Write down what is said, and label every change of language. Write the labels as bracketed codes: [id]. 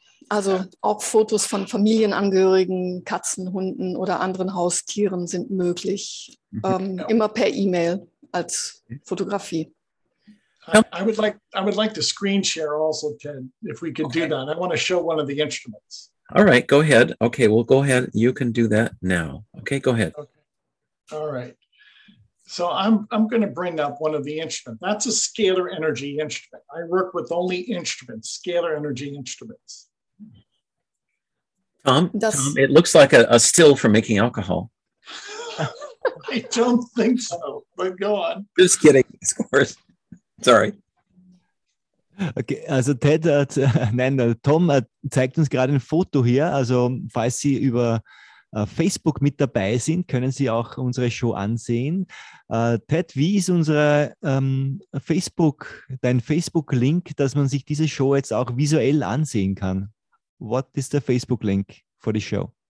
[de] Also auch Fotos von Familienangehörigen, Katzen, Hunden oder anderen Haustieren sind möglich. Immer per E-Mail als Fotografie. [en] I would like to screen share also, Ted, if we could do that. I want to show one of the instruments. All right, go ahead. Okay, well, go ahead. You can do that now. Okay, go ahead. Okay. All right. So I'm going to bring up one of the instruments. That's a scalar energy instrument. I work with only instruments, scalar energy instruments. Tom, it looks like a still for making alcohol. I don't think so, but go on. Just kidding, of course. Sorry. [de] Okay, also Tom zeigt uns gerade ein Foto hier. Also falls Sie über Facebook mit dabei sind, können Sie auch unsere Show ansehen. Ted, wie ist unsere dein Facebook-Link, dass man sich diese Show jetzt auch visuell ansehen kann? [en] What is the Facebook link for the show?